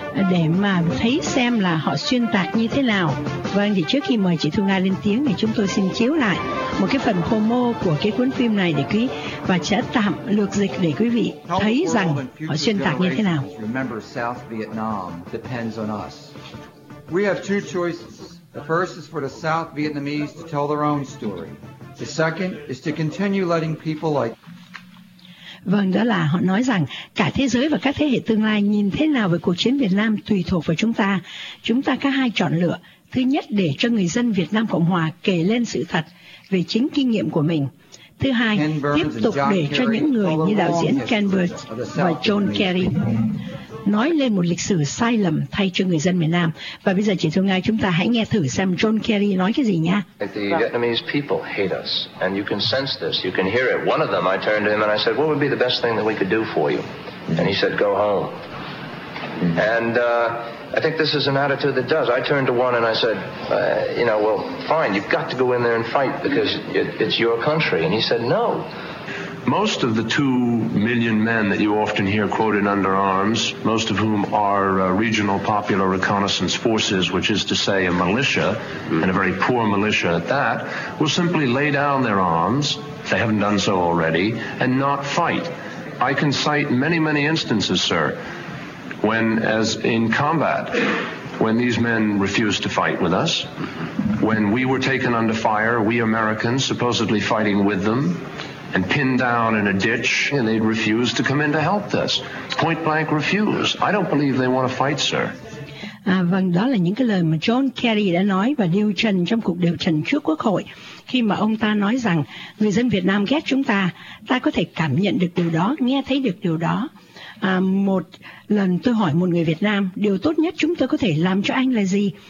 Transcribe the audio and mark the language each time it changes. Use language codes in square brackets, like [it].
[vi] Để mà thấy xem là họ xuyên tạc như thế nào. Vâng, thì trước khi mời chị Thu Nga lên tiếng thì chúng tôi xin chiếu lại một cái phần promo của cái cuốn phim này để quý và sẽ tạm lược dịch để quý vị thấy rằng họ xuyên tạc như thế nào. [en] Remember, South Vietnam depends on us. We have two choices. The first is for the South Vietnamese to tell their own story. The second is to continue letting people like. [vi] Vâng, đó là họ nói rằng cả thế giới và các thế hệ tương lai nhìn thế nào về cuộc chiến Việt Nam tùy thuộc vào chúng ta. Chúng ta có hai chọn lựa. Thứ nhất, để cho người dân Việt Nam Cộng Hòa kể lên sự thật về chính kinh nghiệm của mình. Thứ hai, tiếp tục để cho những người như đạo diễn Ken Burns và John Kerry nói lên một lịch sử sai lầm thay cho người dân miền Nam. Và bây giờ chị Thu Nga, chúng ta hãy nghe thử xem John Kerry nói cái gì nha. [en] The Vietnamese people hate us, and you can sense this, you can hear it. One of them, I turned to him and I said, what would be the best thing that we could do for you? And he said, go home. And I think this is an attitude that does. I turned to one and I said, you know, well, fine, you've got to go in there and fight because it's your country. And he said, no. Most of the 2 million men that you often hear quoted under arms, most of whom are regional popular reconnaissance forces, which is to say a militia, and a very poor militia at that, will simply lay down their arms, if they haven't done so already, and not fight. I can cite many, many instances, sir, when, as in combat, when these men refused to fight with us, when we were taken under fire, we Americans supposedly fighting with them, and pinned down in a ditch, and they'd refuse to come in to help us. Point blank refuse. I don't believe they want to fight, sir. [vi] Vâng, đó là những cái lời mà John Kerry đã nói và điều trần trong cuộc điều trần trước Quốc hội. Khi mà ông ta nói rằng người dân Việt Nam ghét chúng ta, ta có thể cảm nhận được điều đó, nghe thấy được điều đó. Một lần tôi hỏi một người Việt Nam, điều tốt nhất chúng tôi có thể làm cho anh là gì?